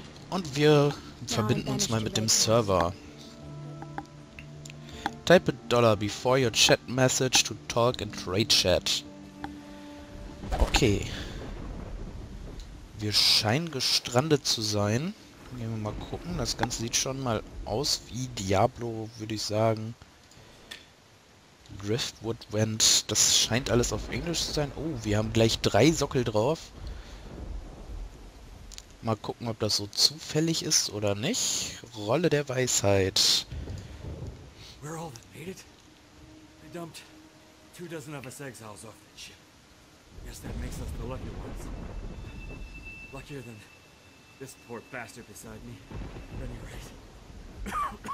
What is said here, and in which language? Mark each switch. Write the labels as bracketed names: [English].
[German] Und wir verbinden uns mal mit dem Server. [English] Type a dollar before your chat message to talk and trade chat. Okay. [German] Wir scheinen gestrandet zu sein. Gehen wir mal gucken. Das Ganze sieht schon mal aus wie Diablo, würde ich sagen. Driftwood Went. Das scheint alles auf Englisch zu sein. Oh, wir haben gleich drei Sockel drauf. Mal gucken, ob das so zufällig ist oder nicht. Rolle der Weisheit. [English] We're all that made it. They dumped two dozen of us exiles off that ship. Guess that makes us the lucky ones. Luckier than this poor bastard beside me. At any rate.